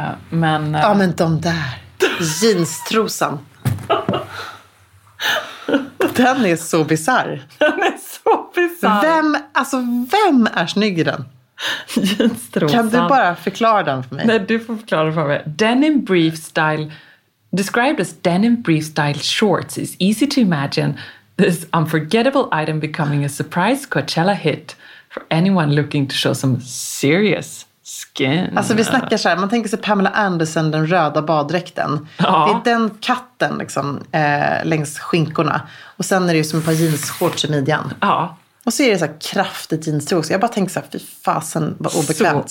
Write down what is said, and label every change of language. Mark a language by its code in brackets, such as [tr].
[sv] Men, ja, men de där. Jeanstrosan. Den är så bizarr. Den är så bizarr. Vem, alltså, vem är snygg i den? Kan du bara förklara den för mig? Nej, du får förklara den för mig. [en] Denim brief style, described as denim brief style shorts, is easy to imagine this unforgettable item becoming a surprise Coachella hit for anyone looking to show some serious skin. [sv] Alltså, vi snackar så här, man tänker sig Pamela Anderson, den röda baddräkten. Ja. Det är den katten liksom, längs skinkorna. Och sen är det ju som ett par jeansshorts i midjan. Ja. Och så är det så här kraftigt jeanstrosa. Jag bara tänker så här, fy fasen, vad obekvämt.